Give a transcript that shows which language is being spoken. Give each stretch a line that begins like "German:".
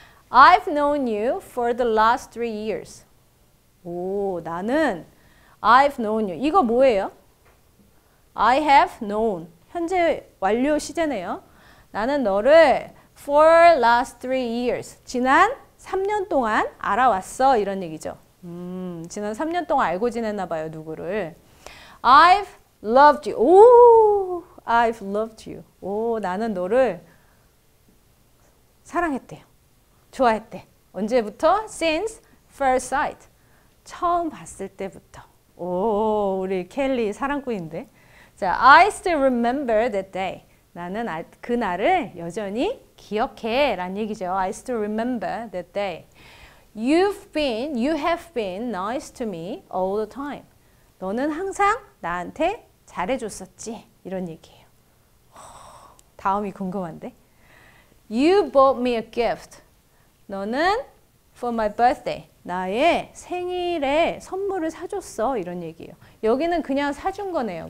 English: I've known you for the last 3 years.
Korean: 오, 나는
English: I've known you.
Korean: 이거 뭐예요?
English: I have known.
Korean: 현재 완료 시제네요. 나는 너를
English: for last 3 years.
Korean: 지난 3년 동안 알아왔어. 이런 얘기죠. 지난 3년 동안 알고 지냈나 봐요, 누구를.
English: I've loved you. 오, I've loved you.
Korean: 오, 나는 너를 사랑했대요. 좋아했대. 언제부터?
English: Since first sight.
Korean: 처음 봤을 때부터. 오, 우리 켈리 사랑꾼인데.
English: 자, I still remember that day.
Korean: 나는 그날을 여전히 기억해. 라는 얘기죠.
English: I still remember that day. You have been nice to me all the time.
Korean: 너는 항상 나한테 잘해줬었지. 이런 얘기예요. 다음이 궁금한데.
English: You bought me a gift.
Korean: 너는
English: for my birthday.
Korean: 나의 생일에 선물을 사줬어. 이런 얘기예요. 여기는 그냥 사준 거네요.